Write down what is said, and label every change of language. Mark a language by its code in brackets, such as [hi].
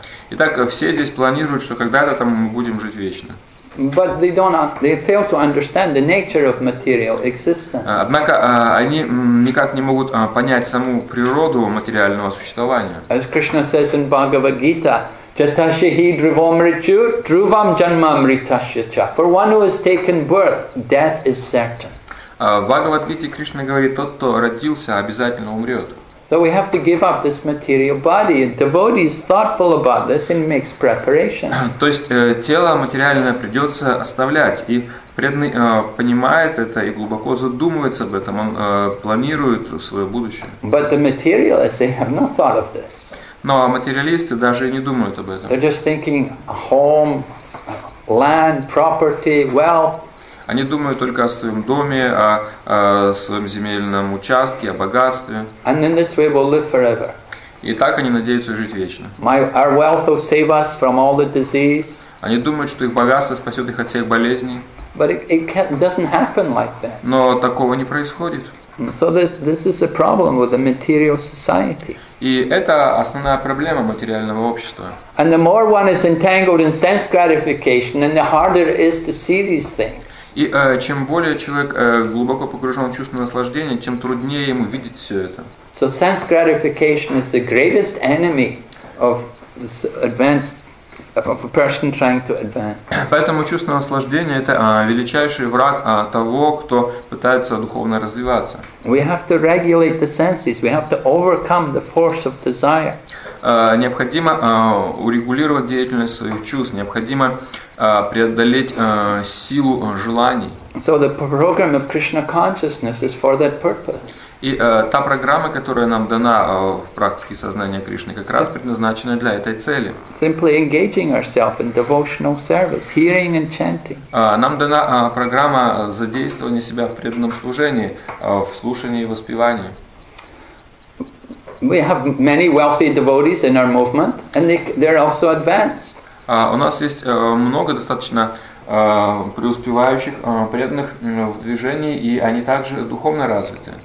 [ru] Итак, все здесь планируют, что когда-то там мы будем жить вечно. [en] But they fail to understand the nature of material existence. [ru] Однако они никак не могут понять саму природу материального существования. [en] As Krishna says in Bhagavad Gita, [sa] Jatashihi Drivomrichur Dhruvam Janmamritashya. [en] For one who has taken birth, death is certain. [ru] В Бхагавад-гите Кришна говорит, тот, кто родился, обязательно умрет. [en] So we have to give up this material body. A devotee is thoughtful about this and makes preparation. [ru] То есть тело материальное придется оставлять. И преданный понимает это и глубоко задумывается об этом. Он планирует свое будущее. [en] But the materialists, they have not thought of this. [ru] Но материалисты даже и не думают об этом. [en] They're just thinking home, land, property, wealth. [ru] Они думают только о своем доме, о своем земельном участке, о богатстве. [en] And in this way we'll live forever. [ru] И так они надеются жить вечно. [en] Our wealth will save us from all the disease. [ru] Они думают, что их богатство спасет их от всех болезней. [en] But it doesn't happen like that. [ru] Но такого не происходит. [en] So this is a problem with the material society. [ru] И это основная проблема материального общества. [en] And the more one is entangled in sense gratification, then the harder it is to see these things. [ru] И чем более человек глубоко погружен в чувство наслаждения, тем труднее ему видеть все это. [en] So sense gratification is the greatest enemy of advanced of a person trying to advance. [ru] Поэтому чувство наслаждения — это величайший враг того, кто пытается духовно развиваться. [en] We have to regulate the senses. We have to overcome the force of desire. [ru] Необходимо урегулировать деятельность своих чувств, необходимо преодолеть силу желаний. [en] So the program of Krishna consciousness is for that purpose. [ru] И та программа, которая нам дана в практике сознания Кришны, как раз предназначена для этой цели. [en] Simply engaging ourselves in devotional service, hearing and chanting. [ru] Нам дана программа задействования себя в преданном служении, в слушании и воспевании. [en] We have many wealthy devotees in our movement, and they're also advanced. [ru] У нас есть много достаточно преуспевающих преданных в движении, и они также духовно развиты.